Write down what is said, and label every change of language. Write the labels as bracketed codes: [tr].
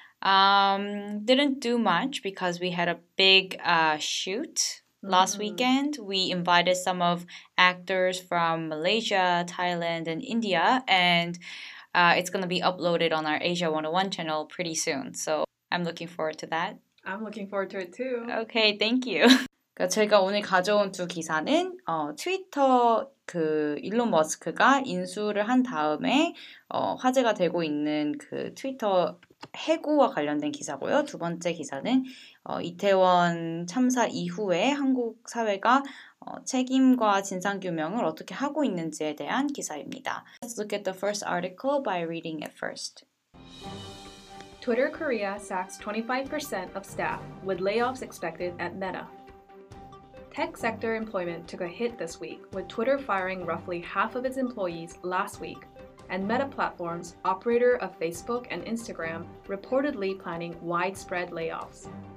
[en] Didn't do much because we had a big shoot last mm-hmm. weekend. We invited some of actors from Malaysia, Thailand, and India, and it's going to be uploaded on our Asia 101 channel pretty soon. So I'm looking forward to that. I'm looking forward to it too. Okay, thank you. [ko] 제가 오늘 가져온 두 기사는 트위터 그 일론 머스크가 인수를 한 다음에 화제가 되고 있는 그 트위터 해고와 관련된 기사고요. 두 번째 기사는 이태원 참사 이후에 한국 사회가 책임과 진상 규명을 어떻게 하고 있는지에 대한 기사입니다. [en] Let's look at the first article by reading it first. Twitter Korea sacks 25% of staff with layoffs expected at Meta. Tech sector employment took a hit this week, with Twitter firing roughly half of its employees last week, and Meta Platforms, operator of Facebook and Instagram, reportedly planning widespread layoffs.